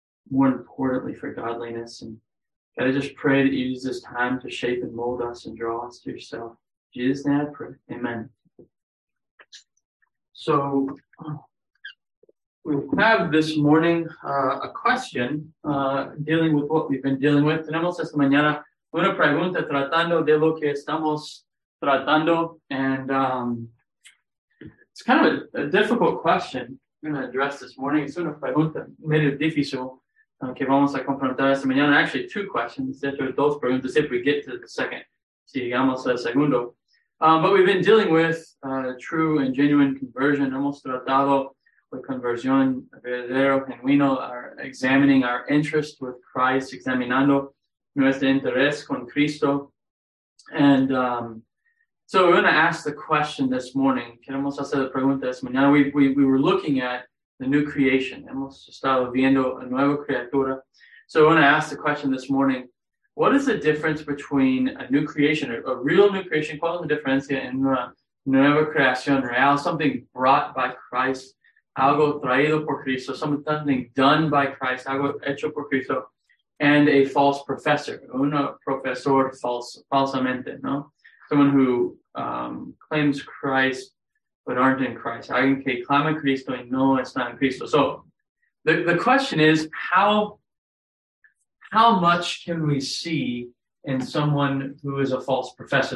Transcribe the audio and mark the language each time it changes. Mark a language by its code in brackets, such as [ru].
[en] More importantly, for godliness. And God, I just pray that you use this time to shape and mold us and draw us to yourself. In Jesus' name I pray. Amen. So we have this morning a question dealing with what we've been dealing with. [es] Tenemos esta mañana una pregunta tratando de lo que estamos tratando. [en] And it's kind of a difficult question I'm going to address this morning. [es] Es una pregunta medio difícil que vamos a confrontar esta mañana. [en] Actually, two questions. [es] Dentro de dos preguntas, [en] if we get to the second, [es] si llegamos al segundo. [en] But we've been dealing with true and genuine conversion. [es] Hemos tratado la conversión verdadero, genuino, [en] examining our interest with Christ, [es] examinando nuestro interés con Cristo. [en] And so we're going to ask the question this morning. [es] Queremos hacer la pregunta esta mañana. [en] We were looking at the new creation. [es] Hemos estado viendo a nueva criatura. [en] So we're going to ask the question this morning. What is the difference between a new creation, a real new creation? [es] ¿Cuál es la diferencia en una nueva creación real? [en] Something brought by Christ, [es] algo traído por Cristo, [en] something done by Christ, [es] algo hecho por Cristo, [en] and a false professor, [es] un profesor falsamente, ¿no? [en] Someone who claims Christ but aren't in Christ. [es] Alguien que clama Cristo y no está en Cristo. [en] So the question is, how much can we see in someone who is a false professor?